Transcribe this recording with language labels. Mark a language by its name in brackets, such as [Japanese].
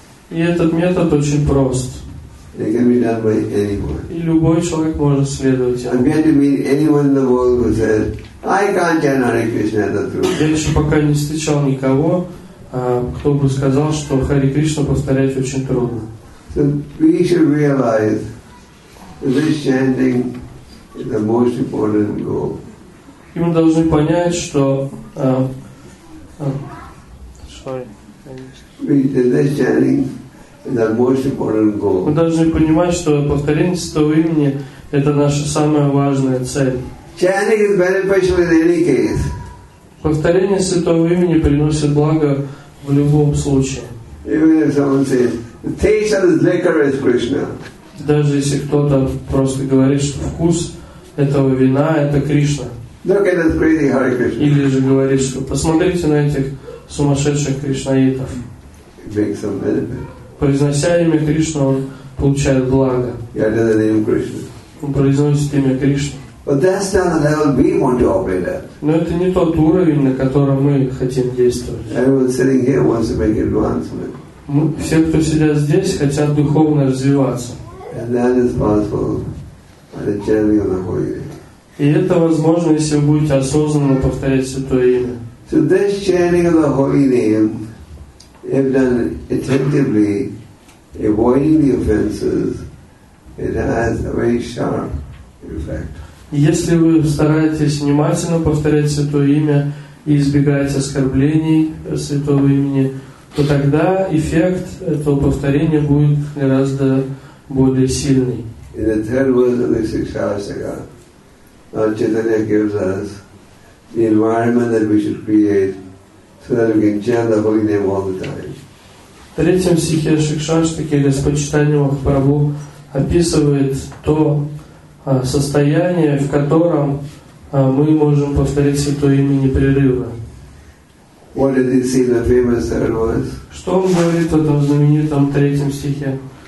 [Russian] И этот метод очень прост. [English] It can be done by anyone. [Russian] И любой человек может следовать ему. [English] I'm going to meet anyone in the world who says, I can't chant Hare Krishna the truth. [Russian] Я еще пока не встречал никого, кто бы сказал, что Хари Кришна повторять очень трудно. [English] So we should realize this chanting is the most important goal. [Russian] И мы должны понять, что [English] this chanting is our most important goal. [Russian] Мы должны понимать, что повторение святого имени – это наша самая важная цель. [English] Chanting is beneficial in any case. [Russian] Повторение святого имени приносит благо в любом случае. [English] Even if someone says, the taste of this liquor is Krishna. [Russian] Даже если кто-то просто говорит, что вкус этого вина – это Кришна. [English] Look at this crazy Hare Krishna. [Russian] Или же говорит, что посмотрите на этих сумасшедших кришнаитов. [English] Make some benefit. [Russian] Произнося имя Кришна, он получает благо. Он произносит имя Кришна. [English] But that's not the level we want to operate at. [Russian] Но это не тот уровень, на котором мы хотим действовать. [English] Everyone sitting here wants to make advancement. [Russian] Все, кто сидят здесь, хотят духовно развиваться. [English] And that is possible by the chanting of the Holy Name. [Russian] И это возможно, если вы будете осознанно повторять святое имя. [English] So this chanting of the Holy Name, if done attentively, avoiding the offenses, it has a very sharp effect. [Russian] Если вы стараетесь внимательно повторять святое имя и избегаете оскорблений святого имени, то тогда эффект этого повторения будет гораздо более сильный. [English] In the third verse of the Sikshastaka, Lord Chaitanya gives us the environment that we should create so that we can chant the Holy Name all the time. [Russian] В третьем стихе Шикшаштаки Господь Чайтанья Махапрабху описывает то состояние, в котором мы можем повторить святое имя непрерывно. [English] What did he say in the famous third verse? [Russian] Что он говорит в этом знаменитом третьем стихе?